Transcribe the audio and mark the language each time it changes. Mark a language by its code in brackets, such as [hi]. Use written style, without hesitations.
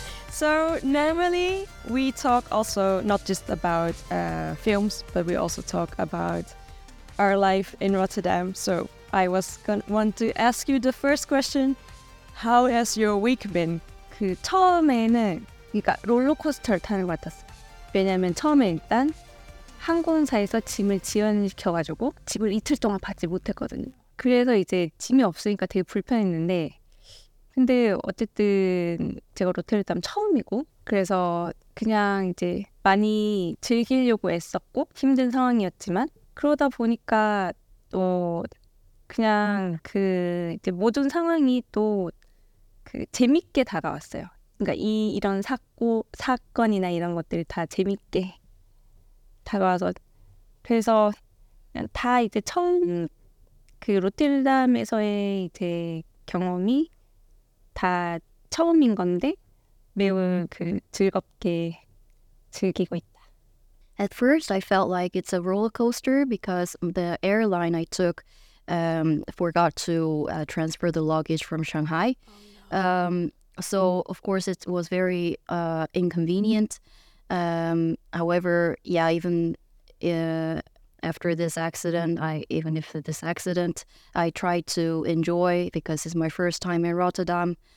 [en] So normally we talk also not just about films, but we also talk about our life in Rotterdam. So I was want to ask you the first question: how has your week been? [ko] 그 처음에는 그러니까 롤러코스터를 타는 것 같았어. 왜냐면 처음에 일단 항공사에서 짐을 지연시켜가지고 짐을 이틀 동안 받지 못했거든요. 그래서 이제 짐이 없으니까 되게 불편했는데. 근데 어쨌든 제가 로테르담 처음이고 그래서 그냥 이제 많이 즐기려고 애썼고 힘든 상황이었지만 그러다 보니까 또 그냥 그 이제 모든 상황이 또 그 재밌게 다가왔어요. 그러니까 이런 사건이나 이런 것들 다 재밌게 다가와서 그래서 그냥 다 이제 처음 그 로테르담에서의 이제 경험이 다 처음인 건데 매우 그 즐겁게 즐기고 있다. [en] At first, I felt like it's a roller coaster because the airline I took forgot to transfer the luggage from Shanghai. So, of course, it was very inconvenient. However, yeah, even after this accident, I tried to enjoy because it's my first time in Rotterdam.